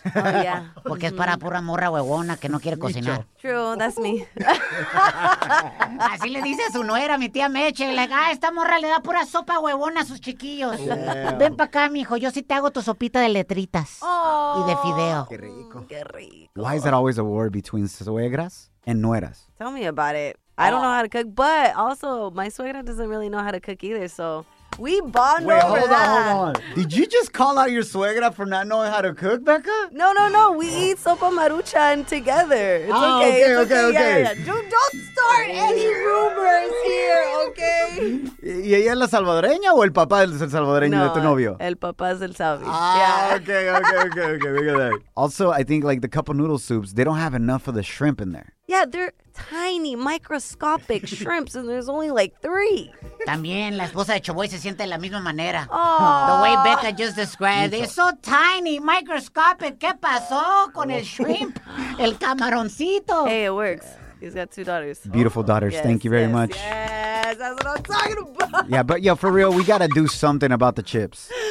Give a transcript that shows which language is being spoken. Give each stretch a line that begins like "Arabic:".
English: Oh, yeah.
Spanish: Porque es para pura morra huevona que no quiere cocinar.
English: True, that's me.
Spanish: Así le dice a su nuera, mi tía Meche. Like, ah, esta morra le da pura sopa huevona a sus chiquillos.
English: Yeah.
Spanish: Ven para acá, mijo. Yo sí te hago tu sopita de letritas. Oh, y de fideo. Qué rico. Qué rico.
English: Why is it always a war between suegras and nueras? Tell me about it. I don't know how to cook, but also my suegra doesn't really know how to cook either, so we bond Wait, over hold that. Hold on, hold on. Did you just call out your suegra for not knowing how to cook, Becca? No, no, no. We eat sopa maruchan together. It's okay. Okay, it's okay, okay. Yeah, yeah. Don't start any rumors here, okay?
Spanish: ¿Y ella es la salvadoreña o el papá es el salvadoreño no, de tu novio? El papá es el salvi.
English: Okay. Look at that. Also, I think like the cup of noodle soups, they don't have enough of the shrimp in there. Yeah, they're tiny, microscopic shrimps, and there's only like 3.
Spanish: También la esposa de Choboy se siente de la misma manera.
English: Aww. The way Becca just described, it's so tiny, microscopic.
Spanish: ¿Qué pasó con el shrimp? El camaroncito.
English: Hey, it works. He's got 2 daughters. Beautiful daughters. Yes, thank you very much. Yes, that's what I'm talking about. Yeah, but yo, for real, we got to do something about the chips.